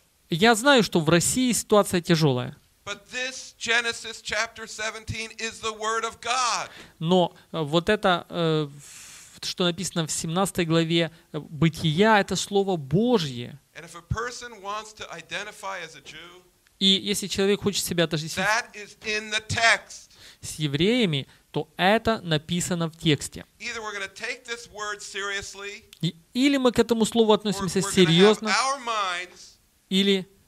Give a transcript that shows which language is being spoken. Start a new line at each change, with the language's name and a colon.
Russian: Я знаю, что в России ситуация тяжелая.
English: But this Genesis chapter 17 is the word of God.
Russian: Но вот это, что написано в 17 главе Бытия, это слово Божье.
English: And if a person wants to identify as a Jew,
Russian: и если человек хочет себя отождествить,
English: that is in the text.
Russian: С евреями, то это написано в тексте.
English: Either we're going to take this word seriously,
Russian: или мы к этому слову относимся серьезно, или